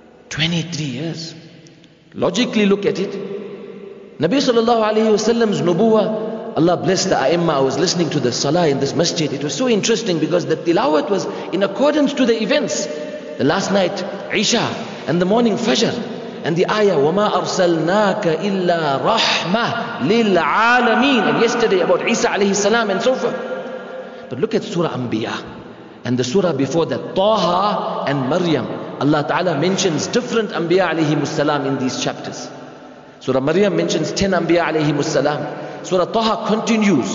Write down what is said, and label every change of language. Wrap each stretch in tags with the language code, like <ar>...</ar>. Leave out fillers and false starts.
<en>23 years. Logically look at it. Nabi sallallahu alayhi wa sallam's nubuwa, Allah bless the a'imma. I was listening to the salah in this masjid. It was so interesting because the tilawat was in accordance to the events. The last night, Isha, and the morning, Fajr. And the ayah,</en> <ar>وَمَا أَرْسَلْنَاكَ إِلَّا رَحْمَةً لِلْعَالَمِينَ.</ar> <en>And yesterday about Isa alayhi salam and so forth. But look at Surah Anbiya and the surah before that, Taha and Maryam. Allah Ta'ala mentions different Anbiya alayhimu salam in these chapters. Surah Maryam mentions 10 Anbiya alayhimu salam. Surah Taha continues.</en>